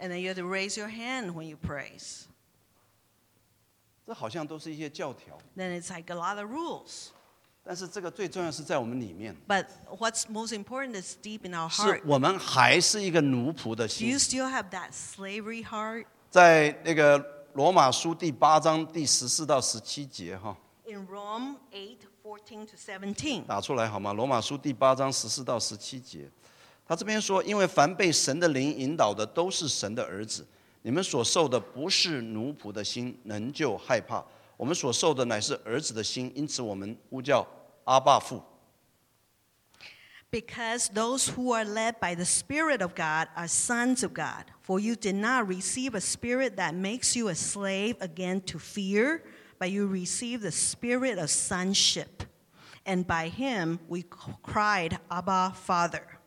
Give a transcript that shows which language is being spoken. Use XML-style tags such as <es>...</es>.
<en>And then you have to raise your hand when you praise</en> <zh>这好像都是一些教条</zh> <en>Then it's like a lot of rules</en> <zh>但是这个最重要是在我们里面</zh> <en>But what's most important is deep in our heart</en> <zh>是我们还是一个奴仆的心</zh> <en>Do you still have that slavery heart?</en> <zh>在那个罗马书第八章第十四到十七节</zh> <en>In Rome 8:14-17</en> <zh>打出来好吗罗马书第八章十四到十七节他这边说因为凡被神的灵引导的都是神的儿子你们所受的不是奴仆的心仍旧害怕我们所受的乃是儿子的心因此我们呼叫阿爸父</zh> <en>Because those who are led by the Spirit of God are sons of God for you did not receive a spirit that makes you a slave again to fearBut you receive the spirit of sonship. And by him we cried, Abba, Father.</en>